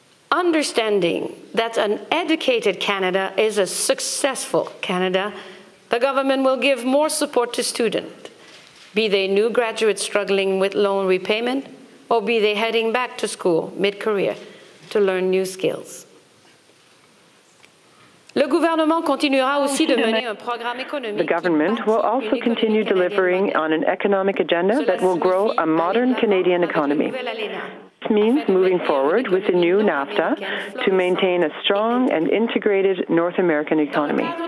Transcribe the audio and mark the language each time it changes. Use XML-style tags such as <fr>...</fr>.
<en>Understanding that an educated Canada is a successful Canada, the government will give more support to students, be they new graduates struggling with loan repayment, or be they heading back to school mid-career to learn new skills.</en> <fr>Le gouvernement continuera aussi de mener un programme économique.</fr> <en>The government will also continue delivering on an economic agenda that will grow a modern Canadian economy. This means moving forward with the new NAFTA to maintain a strong and integrated North American economy.</en>